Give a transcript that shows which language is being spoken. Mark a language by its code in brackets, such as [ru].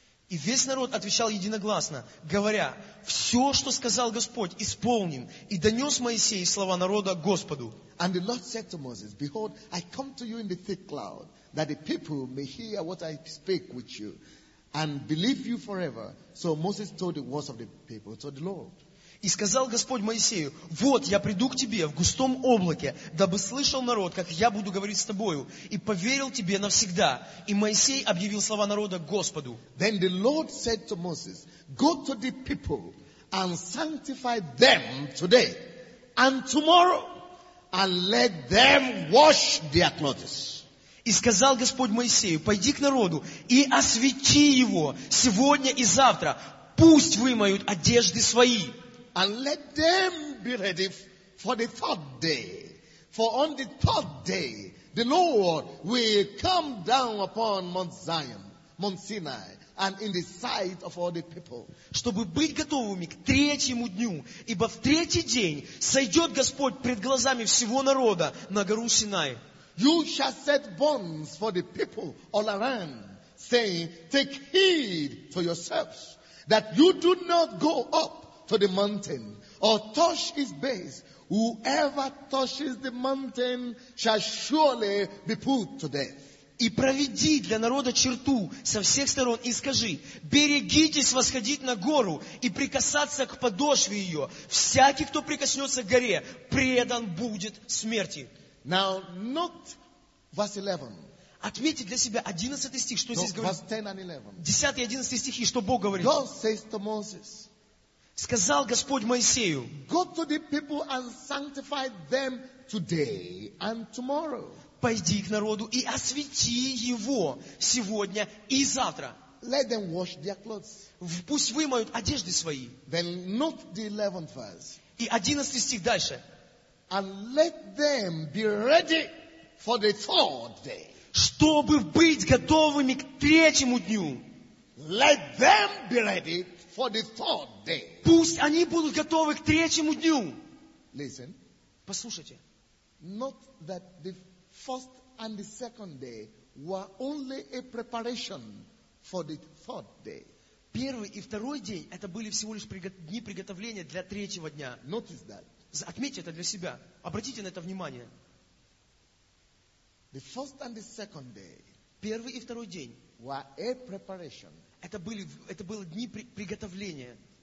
[ru] И весь народ отвечал единогласно, говоря, все, что сказал Господь, исполним. И донес Моисей слова народа Господу. [en] And the Lord said to Moses, behold, I come to you in the thick cloud, that the people may hear what I speak with you. And believe you forever. So Moses told the words of the people to the Lord. [ru] И сказал Господь Моисею: «Вот, я приду к тебе в густом облаке, дабы слышал народ, как я буду говорить с тобою, и поверил тебе навсегда». И Моисей объявил слова народа Господу. [en] Then the Lord said to Moses, «Go to the people and sanctify them today and tomorrow, and let them wash their clothes». [ru] И сказал Господь Моисею: «Пойди к народу и освети его сегодня и завтра, пусть вымоют одежды свои». [en] And let them be ready for the third day. For on the third day, the Lord will come down upon Mount Zion, Mount Sinai, and in the sight of all the people. [ru] Чтобы быть готовыми к третьему дню, ибо в третий день сойдет Господь пред глазами всего народа на гору Синай. [en] You shall set bonds for the people all around, saying, take heed to yourselves, that you do not go up to the mountain or touch its base. Whoever touches the mountain shall surely be put to death. [ru] И проведи для народа черту со всех сторон и скажи: берегитесь восходить на гору и прикасаться к подошве ее. Всякий, кто прикоснется к горе, предан будет смерти. [en] Now note verse 11. [ru] Отметьте для себя 11 стих, что здесь говорит. 10 и 11 стихи, что Бог говорит. [en] God says to Moses, [ru] сказал Господь Моисею: [en] go to the people and sanctify them today and tomorrow. [ru] Пойди к народу и освети его сегодня и завтра. [en] Let them wash their clothes. [ru] Пусть вымоют одежды свои. [en] Then note the 11th verse. [ru] И 11 стих дальше. [en] And let them be ready for the third day. [ru] Чтобы быть готовыми к третьему дню. [en] Let them be ready for the third day. [ru] Пусть они будут готовы к третьему дню. [en] Listen. [ru] Послушайте. [en] Not that the first and the second day were only a preparation for the third day. [ru] Первый и второй день это были всего лишь дни приготовления для третьего дня. [en] Notice that. [ru] Отметьте это для себя. Обратите на это внимание. [en] The first and the second day. [ru] Первый и второй день. [en] Were a preparation. [ru] Это были дни приготовления.